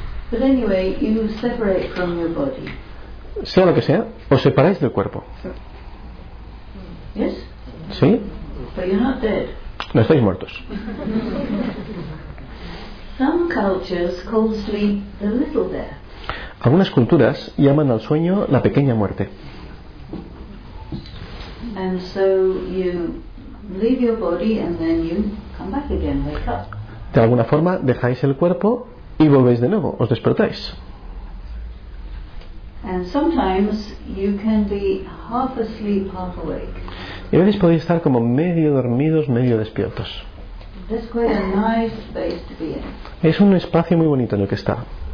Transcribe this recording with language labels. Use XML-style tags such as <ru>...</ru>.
<en>But anyway, you separate from your body.</en> <es>Sea lo que sea, os separáis del cuerpo.</es> <en>Yes?</en> <es>Sí.</es> <en>But you're not dead.</en> <es>No estáis muertos.</es> <en>Some cultures call sleep the little death.</en> <es>Algunas culturas llaman al sueño la pequeña muerte.</es> <en>And so you leave your body and then you come back again, wake up.</en> <es>De alguna forma dejáis el cuerpo y volvéis de nuevo, os despertáis.</es> <en>And sometimes you can be half asleep, half awake.</en> <es>Y a veces podéis estar como medio dormidos, medio despiertos.</es> <en>That's quite a nice space to be in.</en> <es>Es un espacio muy bonito en el que está.</es>